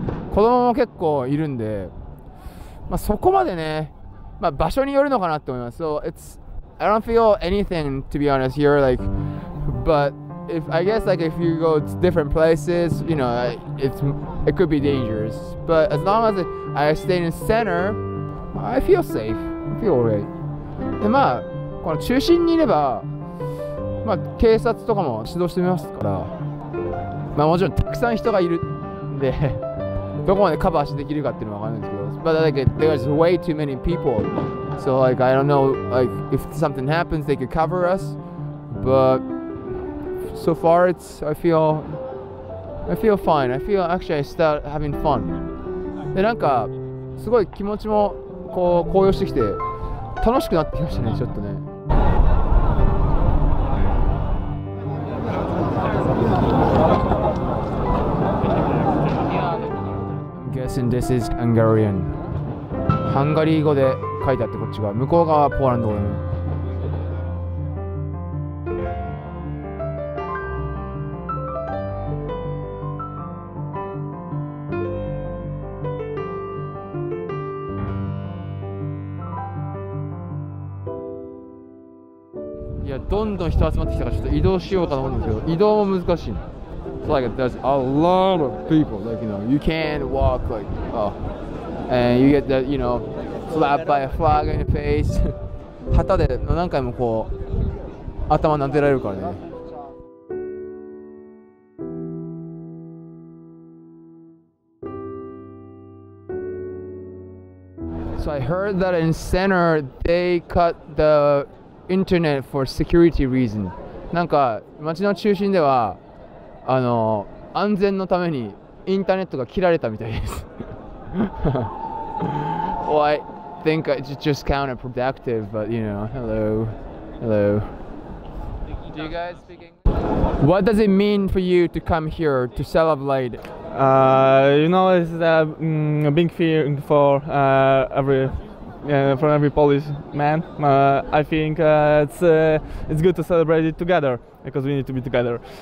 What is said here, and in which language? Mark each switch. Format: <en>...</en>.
<ja>子供も結構いるんで、まあそこまでね、まあ場所によるのかなって思います。</ja> <en>So it's I don't feel anything, to be honest, here, like, but if I guess like if you go to different places, you know, it could be dangerous. But as long as I stay in the center, I feel safe. I feel alright.</en> <ja>でまあこの中心にいれば、まあ警察とかも指導してみますから。まあもちろんたくさん人がいるんで、どこまでカバーしできるかっていうのはわかんないんですけど。</ja> <en>But like there's way too many people, so like I don't know like if something happens they could cover us, but so far it's I feel fine. I feel actually I start having fun.</en> <ja>でなんかすごい気持ちもこう高揚してきて。楽しくなってきましたね、ちょっとね。</ja> <en>I'm guessing this is Hungarian.</en> <ja>ハンガリー語で書いてあって、こっちが向こう側はポーランド語。どんどん人集まってきたからちょっと移動しようかと思うんですけど、移動も難しい。</ja> <en>So like there's a lot of people, like you know, you can't walk like, oh, and you get the, you know, slapped by a flag in the face.</en> <ja>旗で何回もこう頭撫でられるからね。</ja> <en>So I heard that in center they cut theInternet for security reason.</en> <ja>なんか街の中心ではあの安全のためにインターネットが切られたみたいです。</ja> <en>Well, I think it's just counterproductive, but you know, hello, hello. Do you guys speak English? What does it mean for you to come here to celebrate? You know, it's a big thing for everyYeah, for every Polish man, I think it's good to celebrate it together because we need to be together.</en>